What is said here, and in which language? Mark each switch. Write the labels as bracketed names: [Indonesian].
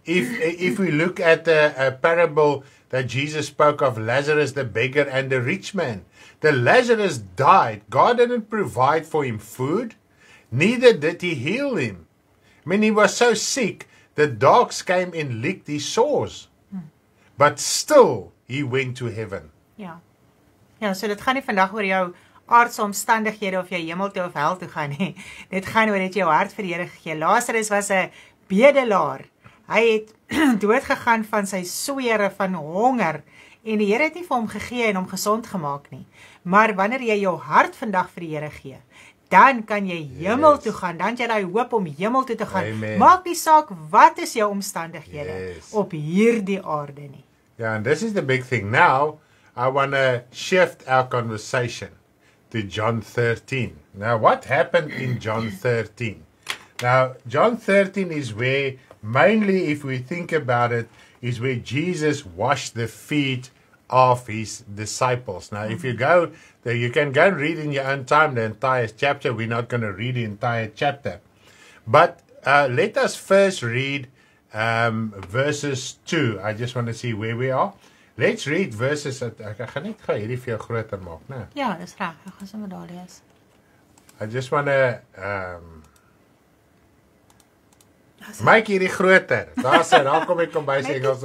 [English] If we look at a parable that Jesus spoke of Lazarus, the beggar and the rich man, the Lazarus died. God didn't provide for him food. Neither did he heal him. I mean, he was so sick, the dogs came and licked his sores. But still, he went to heaven. [Afrikaans] Ja, so dit gaan nie vandag oor jou aardse omstandighede of jy hemel toe of hel toe gaan nie. Dit gaan oor dat jy jou hart vir die Here gegee. Lazarus was 'n bedelaar. Hy het dood gegaan van sy sweere, van honger. En die Here het nie vir hom gegee en hom gesond gemaak nie. Maar wanneer jy jou hart vandag vir die Here gee, dan kan jy hemel toe gaan, dan jy daai hoop om hemel toe te gaan. Amen. Maak nie saak wat is jou omstandighede op hierdie aarde nie. [English] Ja, yeah, and this is the big thing. Now, I want to shift our conversation to John 13. Now, what happened in John 13? Now, John 13 is where, mainly if we think about it, is where Jesus washed the feet of his disciples. Now, if you go there, you can go and read in your own time the entire chapter. We're not going to read the entire chapter. But let us first read verses 2. I just want to see where we are. Let's read verses. [Afrikaans] Ek gaan net gou hierdie vir jou groter maak, né? Ja, dis reg. Ek gaan sommer daar lees. [English] I just want to [Afrikaans] maak hierdie groter. Daar's hy, daar kom hy kom by sy Engels